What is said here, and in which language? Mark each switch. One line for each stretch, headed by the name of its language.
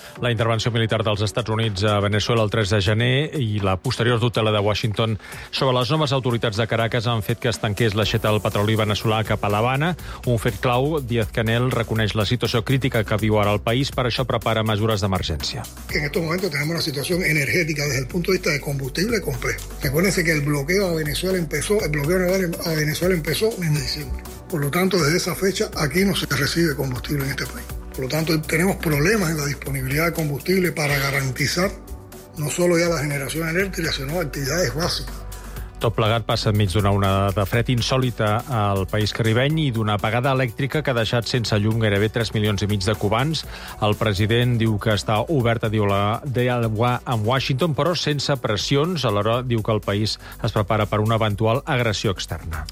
Catalan: La intervenció militar dels Estats Units a Veneçuela el 3 de gener i la posterior tutela de Washington sobre les noves autoritats de Caracas han fet que es tanqués l'aixeta del petroli veneçolà cap a l'Havana. Un fet clau, Díaz-Canel reconeix la situació crítica que viu ara el país, per això prepara mesures d'emergència.
Spanish: En estos momentos tenemos una situación energética desde el punto de vista de combustible complejo. Recuérdense que el bloqueo naval a Venezuela empezó en diciembre. Por lo tanto, desde esa fecha aquí no se recibe combustible en este país. Por lo tanto, tenemos problemas en la disponibilidad de combustible para garantizar no solo ya la generación eléctrica, sino actividades básicas.
Catalan: Tot plegat passa enmig d'una onada de fred insòlita al país caribeny i d'una apagada elèctrica que ha deixat sense llum gairebé 3 milions i mig de cubans. El president diu que està obert a dialogar amb Washington, però sense pressions. Alhora diu que el país es prepara per una eventual agressió externa.